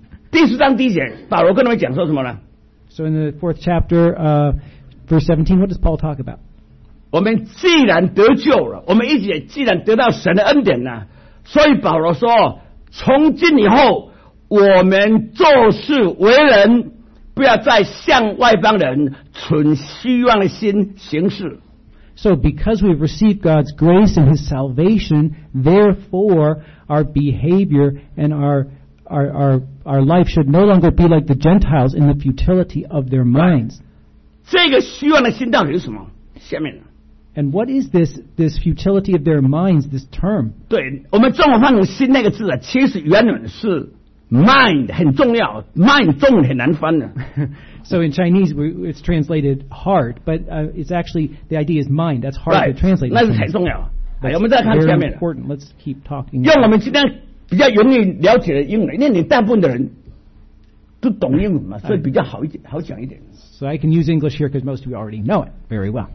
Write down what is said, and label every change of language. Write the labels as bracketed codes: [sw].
[zh] 第十章第一节，保罗跟他们讲说什么呢? [en] So in the fourth chapter, verse 17, what does Paul talk about? [zh] 我们既然得救了我们一直也既然得到神的恩典了所以保罗说从今以后我们做事为人不要再向外邦人存希望的心行事 [en] So because we've received God's grace and his salvation therefore our behavior and our life should no longer be like the Gentiles in the futility of their minds [zh] 这个希望的心到底是什么下面呢 [en] And what is this futility of their minds, this term? [zh] 对我们中文翻译心那个字啊其实原文是 mind, 很重要 mind, 中文很难翻的。 [en] So in Chinese, it's translated heart, but it's actually, the idea is mind, that's hard right, to translate. [zh] 那是很重要。哎我们再看下面。 [en] Very important, let's keep talking. [zh] 用我们今天比较容易了解的英文因为你大部分的人都懂英文嘛所以比较好一点好讲一点。 [en] So I can use English here because most of you already know it very well.